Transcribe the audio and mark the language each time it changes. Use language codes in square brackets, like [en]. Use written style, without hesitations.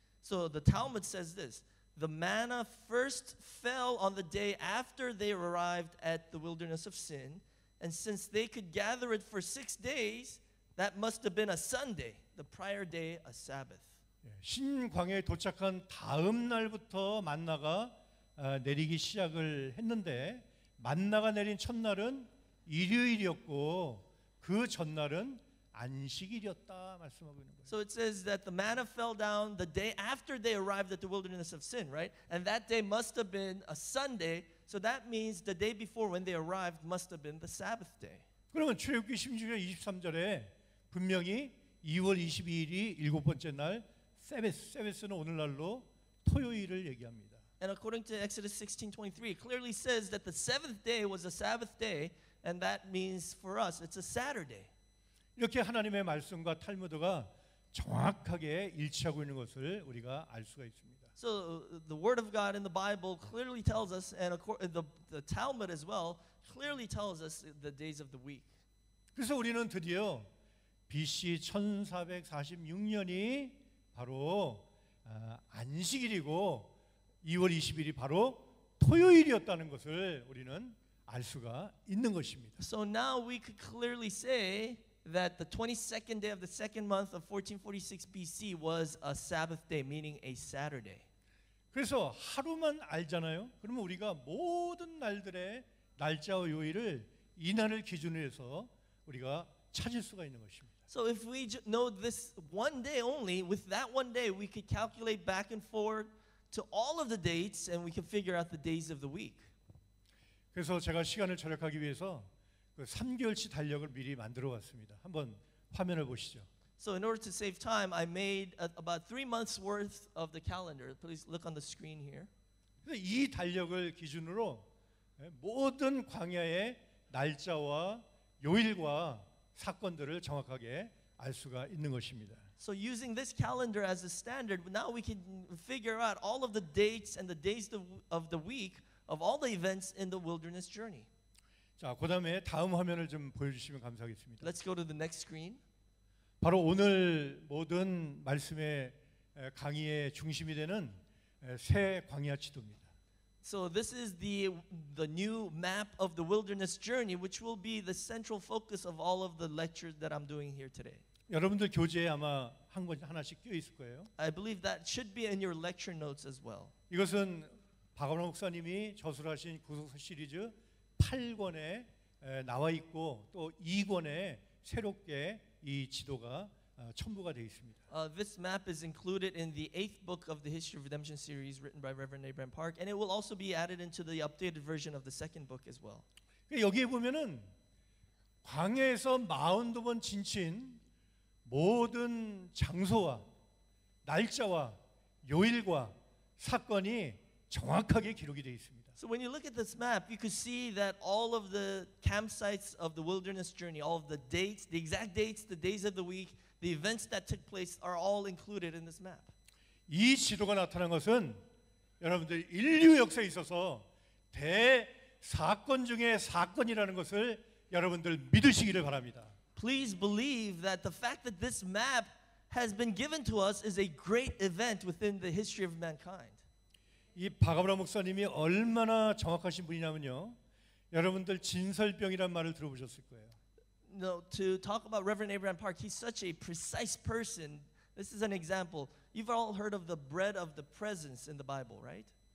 [en] So the Talmud says this. The manna first fell on the day after they arrived at the wilderness of sin. And since they could gather it for six days, that must have been a Sunday, the prior day, a Sabbath. [ko] 신광에 도착한 다음 날부터 만나가 내리기 시작을 했는데 만나가 내린 첫날은 일요일이었고 그 전날은 안식일이었다 말씀하고 있는 거예요. [en] So it says that the manna fell down the day after they arrived at the wilderness of sin, right? And that day must have been a Sunday. So that means the day before when they arrived must have been the Sabbath day. [ko] 그러면 출애굽기 16장 23절에 분명히 2월 22일이 일곱 번째 날 세베스, 세베스는 오늘날로 토요일을 얘기합니다. [en] And according to Exodus 16:23, it clearly says that the seventh day was a Sabbath day, and that means for us it's a Saturday. [ko] 이렇게 하나님의 말씀과 탈무드가 정확하게 일치하고 있는 것을 우리가 알 수가 있습니다. [en] So the word of God in the Bible clearly tells us, and the Talmud as well clearly tells us the days of the week. [ko] 그래서 우리는 드디어 BC 1446년이 바로 안식일이고 2월 20일이 바로 토요일이었다는 것을 우리는 알 수가 있는 것입니다. [en] So now we could clearly say that the 22nd day of the second month of 1446 BC was a Sabbath day, meaning a Saturday. [ko] 그래서 하루만 알잖아요. 그러면 우리가 모든 날들의 날짜와 요일을 이날을 기준으로 해서 우리가 찾을 수가 있는 것입니다. [en] So if we know this one day only, with that one day, we could calculate back and forth to all of the dates, and we could figure out the days of the week. [ko] 그래서 제가 시간을 절약하기 위해서 그 3개월치 달력을 미리 만들어 왔습니다. 한번 화면을 보시죠. [en] So in order to save time, I made about 3 months worth of the calendar. Please look on the screen here. [ko] 이 달력을 기준으로 모든 광야의 날짜와 요일과 사건들을 정확하게 알 수가 있는 것입니다. [en] So using this calendar as a standard, now we can figure out all of the dates and the days of the week of all the events in the wilderness journey. [ko] 자, 그다음에 다음 화면을 좀 보여주시면 감사하겠습니다. [en] Let's go to the next screen. [ko] 바로 오늘 모든 말씀의 강의의 중심이 되는 새 광야 지도입니다. [en] So this is the new map of the wilderness journey, which will be the central focus of all of the lectures that I'm doing here today. [ko] 여러분들 교재에 아마 한 권 하나씩 끼어 있을 거예요. [en] I believe that should be in your lecture notes as well. [ko] 이것은 박원호 목사님이 저술하신 구속사 시리즈 8권에 나와 있고 또 2권에 새롭게 이 지도가 첨부가 되어 있습니다. [en] This map is included in the 8th book of the History of Redemption series written by Reverend Abraham Park, and it will also be added into the updated version of the 2nd book as well. [ko] 여기에 보면은 광야에서 42번 진친 모든 장소와 날짜와 요일과 사건이 정확하게 기록이 되어 있습니다. [en] So when you look at this map, you could see that all of the campsites of the wilderness journey, all of the dates, the exact dates, the days of the week, the events that took place are all included in this map. [ko] 이 지도가 나타난 것은 여러분들 인류 역사에 있어서 대사건 중에 사건이라는 것을 여러분들 믿으시기를 바랍니다. [en] Please believe that the fact that this map has been given to us is a great event within the history of mankind. [ko] 이 박아브라 목사님이 얼마나 정확하신 분이냐면요. 여러분들 진설병이란 말을 들어보셨을 거예요. [en] No, to talk about Reverend Abraham Park, he's such a precise person. This is an example. You've all heard of the bread of the presence in the Bible, right?